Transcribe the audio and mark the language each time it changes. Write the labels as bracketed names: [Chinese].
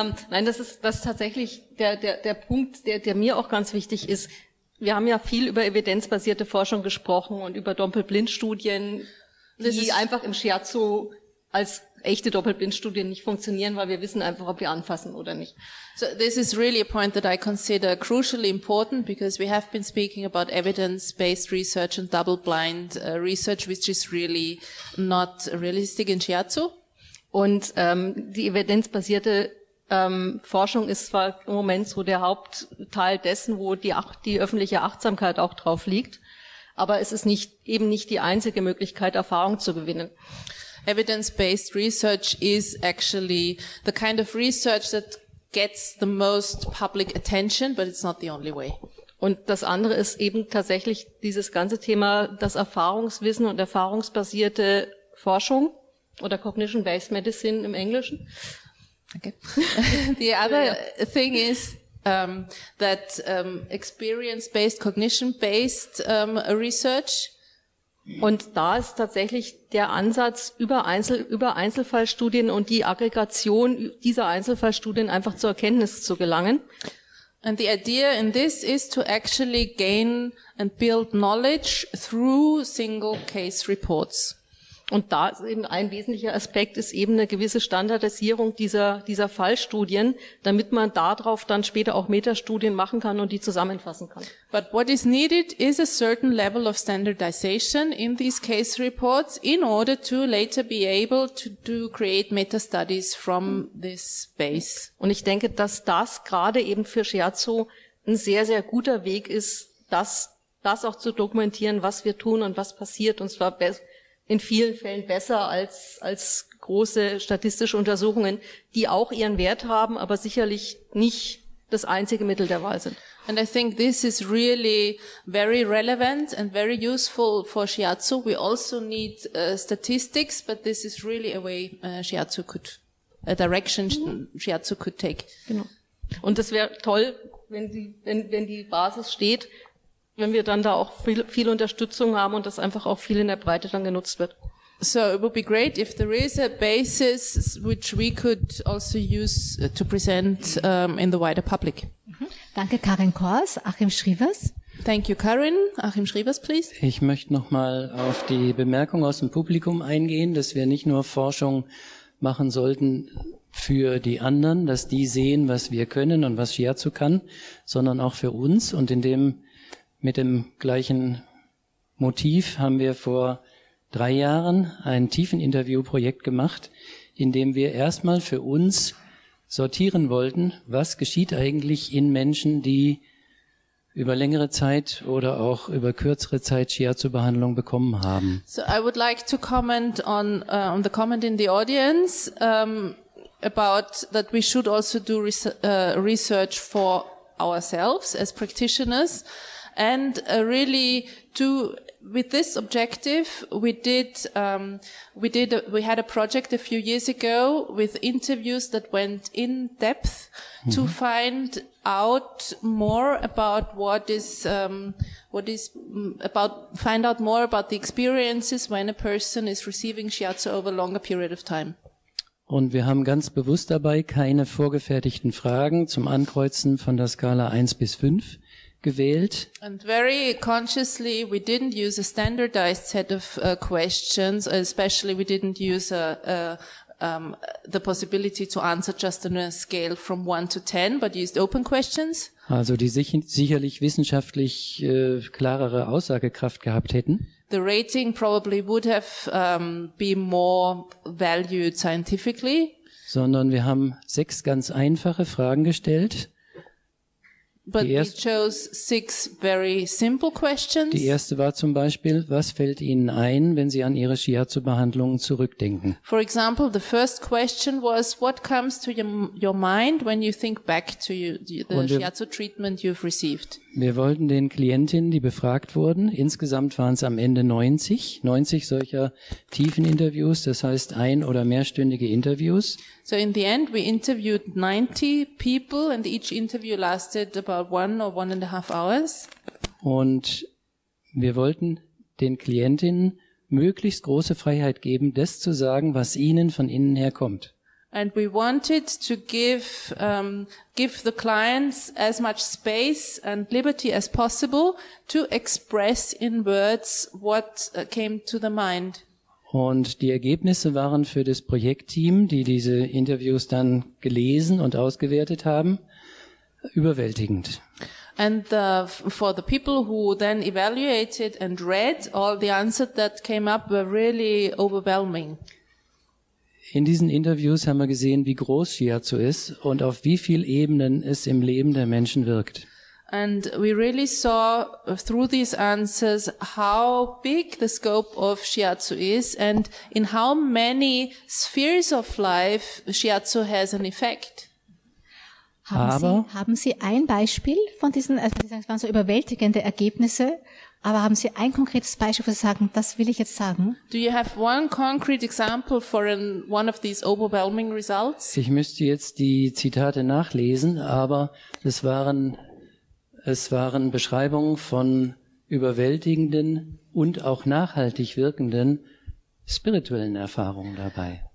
[German] Nein, das ist tatsächlich der Punkt, der mir auch ganz wichtig ist. Wir haben ja viel über evidenzbasierte Forschung gesprochen und über Doppelblindstudien, die einfach im Scherzo als echte Doppelblindstudien nicht funktionieren, weil wir wissen einfach, ob wir anfassen oder nicht. [English] So this is really a point that I consider crucially important, because we have been speaking about evidence-based research and double-blind research, which is really not realistic in Shiatsu. [German] Und die evidenzbasierte Forschung ist zwar im Moment so der Hauptteil dessen, wo die öffentliche Achtsamkeit auch drauf liegt, aber es ist nicht die einzige Möglichkeit, Erfahrung zu gewinnen. [English] Evidence-based research is actually the kind of research that gets the most public attention, but it's not the only way. [German] Und das andere ist eben tatsächlich dieses ganze Thema, das Erfahrungswissen und erfahrungsbasierte Forschung oder [English] cognition-based medicine [German] im Englischen. [English] Okay. The other thing is that experience-based, cognition-based research. [German] Und da ist tatsächlich der Ansatz über Einzelfallstudien und die Aggregation dieser Einzelfallstudien einfach zur Erkenntnis zu gelangen. [English] And the idea in this is to actually gain and build knowledge through single case reports. [German] Und da ist eben ein wesentlicher Aspekt, ist eben eine gewisse Standardisierung dieser Fallstudien, damit man darauf dann später auch Metastudien machen kann und die zusammenfassen kann. [English] But what is needed is a certain level of standardization in these case reports in order to later be able to do create meta-studies from this base. [German] Und ich denke, dass das gerade eben für Scherzo ein sehr, sehr guter Weg ist, das auch zu dokumentieren, was wir tun und was passiert, und zwar in vielen Fällen besser als große statistische Untersuchungen, die auch ihren Wert haben, aber sicherlich nicht das einzige Mittel der Wahl sind. [English] And I think this is really very relevant and very useful for Shiatsu. We also need statistics, but this is really a way Shiatsu could, a direction Shiatsu could take. [German] Genau. Und das wäre toll, wenn die Basis steht, wenn wir dann da auch viel Unterstützung haben und das einfach auch viel in der Breite dann genutzt wird. [English] So it would be great if there is a basis which we could also use to present in the wider public. [German] Danke, Karin Kors. Achim Schrievers. [English] Thank you, Karin. Achim Schrievers, please. [German] Ich möchte noch mal auf die Bemerkung aus dem Publikum eingehen, dass wir nicht nur Forschung machen sollten für die anderen, dass die sehen, was wir können und was Shiatsu kann, sondern auch für uns. Und mit dem gleichen Motiv haben wir vor 3 Jahren ein Tiefeninterviewprojekt gemacht, in dem wir erstmal für uns sortieren wollten, was geschieht eigentlich in Menschen, die über längere Zeit oder auch über kürzere Zeit Shiatsu-Behandlung bekommen haben. [English] So I would like to comment on the comment in the audience about that we should also do research for ourselves as practitioners. And really, to with this objective, we had a project a few years ago with interviews that went in depth to find out more about the experiences when a person is receiving Shiatsu over a longer period of time. [German] Und wir haben ganz bewusst dabei keine vorgefertigten Fragen zum Ankreuzen von der Skala 1 bis 5. Gewählt. [English] And very consciously we didn't use a standardized set of questions, especially we didn't use a the possibility to answer just on a scale from 1 to 10, but used open questions. [German] Also die sicherlich wissenschaftlich klarere Aussagekraft gehabt hätten. [English] The rating probably would have been more valued scientifically. [German] Sondern wir haben 6 ganz einfache Fragen gestellt. [English] But we chose 6 very simple questions. [German] Die erste war zum Beispiel, was fällt Ihnen ein, wenn Sie an Ihre Shiatsu-Behandlungen zurückdenken? [English] For example, the first question was, what comes to your mind when you think back to the Shiatsu treatment you've received? [German] Wir wollten den Klientinnen, die befragt wurden, insgesamt waren es am Ende 90 solcher tiefen Interviews, das heißt ein- oder mehrstündige Interviews. [English] So in the end we interviewed 90 people and each interview lasted about 1 or 1.5 hours. [German] Und wir wollten den Klientinnen möglichst große Freiheit geben, das zu sagen, was ihnen von innen her kommt. [English] And we wanted to give the clients as much space and liberty as possible to express in words what came to the mind. [German] Und die Ergebnisse waren für das Projektteam, die diese Interviews dann gelesen und ausgewertet haben, überwältigend. [English] And for the people who then evaluated and read, all the answers that came up were really overwhelming. [German] In diesen Interviews haben wir gesehen, wie groß Shiatsu ist und auf wie vielen Ebenen es im Leben der Menschen wirkt. [English] And we really saw through these answers how big the scope of Shiatsu is and in how many spheres of life Shiatsu has an effect. [German] Haben Sie ein Beispiel von diesen, also das waren so überwältigende Ergebnisse, aber haben Sie ein konkretes Beispiel, wo Sie sagen, das will ich jetzt sagen? [English] Do you have one concrete example for one of these overwhelming results? [German] Ich müsste jetzt die Zitate nachlesen, aber es waren Beschreibungen von überwältigenden und auch nachhaltig wirkenden spirituellen Erfahrungen dabei.